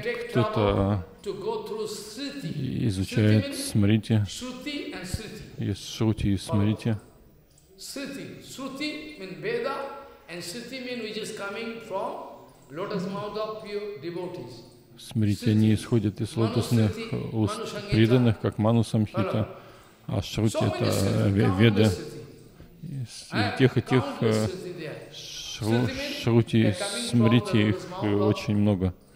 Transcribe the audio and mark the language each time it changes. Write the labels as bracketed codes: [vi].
[ru] Кто-то изучает Смрити, есть Шрути и Смрити. [en] Шрути means Veda, and Shruti means which is coming from lotus mouth of pure devotees. [ru] Смотрите, они исходят из лотосных уст преданных, как Ману Самхита, а Шрути — это Веды. И тех и тех Шрути, смотрите, их очень много.